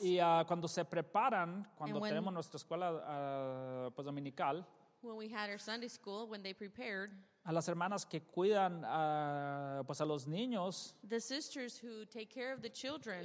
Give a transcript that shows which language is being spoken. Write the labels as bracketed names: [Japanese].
[Spanish] Y cuando se preparan, cuando tenemos nuestra escuela pues dominical. [English] When we had our Sunday school, when they prepared. [Spanish] A las hermanas que cuidan pues a los niños. [English] The sisters who take care of the children.